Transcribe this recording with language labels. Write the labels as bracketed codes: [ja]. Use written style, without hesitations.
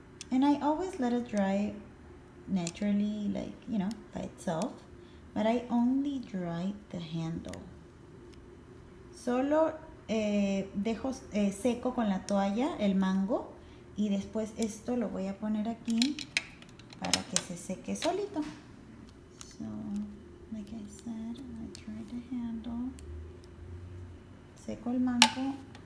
[en] And I always let it dry naturally, like, you know, by itself. But I only dry the handle. [es] Solo dejo seco con la toalla el mango. Y después esto lo voy a poner aquí para que se seque solito. [en] So, like I said, I dry the handle. [es] Seco el mango.